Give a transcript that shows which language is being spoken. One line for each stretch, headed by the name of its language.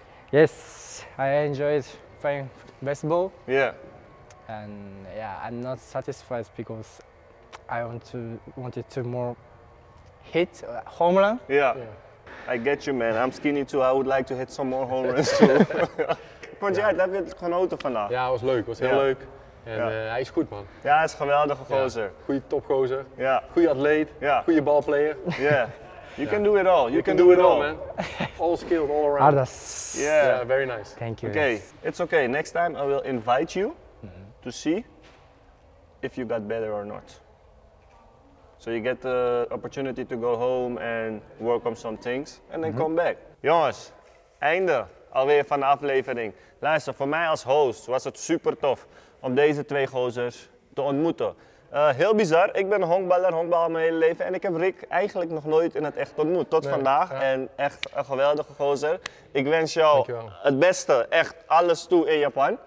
English: Yes, I enjoyed playing baseball. Yeah. And yeah, I'm not satisfied because I wanted to more hit home run. Yeah. I get you, man. I'm skinny too. I would like to hit some more home runs too.
Dutch: Ik vond je uit, heb je het genoten vandaag? Ja, was leuk. Was heel leuk. En hij is goed, man. Ja, hij is een geweldige gozer. Ja. Goeie topgozer. Ja. Goeie atleet. Ja. Goeie balplayer.
English: Yeah. You can do it all. You can do it all, man. All skilled, all around. Ardas. Yeah. Very nice. Thank you. Okay. Yes. It's okay. Next time I will invite you to see if you got better or not. So you get the opportunity to go home and work on some things. And then come back.
Dutch: Jongens, einde alweer van de aflevering. Luister, voor mij als host was het super tof om deze twee gozers te ontmoeten. Heel bizar, ik ben honkballer, honkbal mijn hele leven en ik heb Rick eigenlijk nog nooit in het echt ontmoet. Tot vandaag en echt een geweldige gozer. Ik wens jou het beste, echt alles toe in Japan.